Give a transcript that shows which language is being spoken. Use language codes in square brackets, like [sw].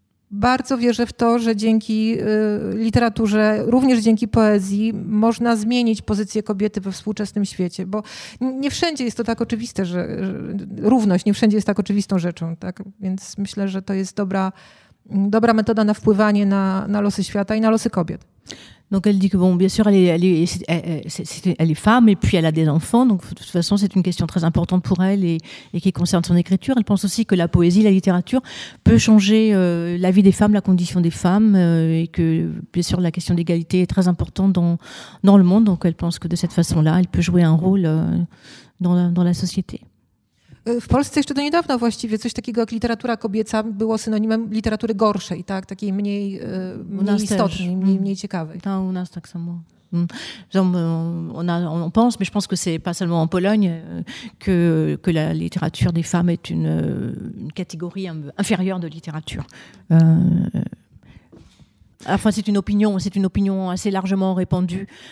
[pl] bardzo wierzę w to, że dzięki literaturze, również dzięki poezji, można zmienić pozycję kobiety we współczesnym świecie, bo nie wszędzie jest to tak oczywiste, że równość, nie wszędzie jest tak oczywistą rzeczą, tak? Więc myślę, że to jest dobra metoda na wpływanie na losy świata i na losy kobiet. [fr] Donc elle dit que bon, bien sûr, elle est femme et puis elle a des enfants, donc de toute façon c'est une question très importante pour elle et qui concerne son écriture. Elle pense aussi que la poésie, la littérature peut changer la vie des femmes, la condition des femmes et que bien sûr la question d'égalité est très importante dans le monde. Donc elle pense que de cette façon-là, elle peut jouer un rôle dans la société. [pl] W Polsce jeszcze do niedawna właściwie coś takiego jak literatura kobieca było synonimem literatury gorszej, tak? Takiej mniej istotnej, mniej ciekawej. Tak, u nas tak samo. [fr] On pense, mais je pense que c'est pas seulement en Pologne que la littérature des femmes est une catégorie inférieure de littérature. Enfin, c'est une opinion assez largement répandue.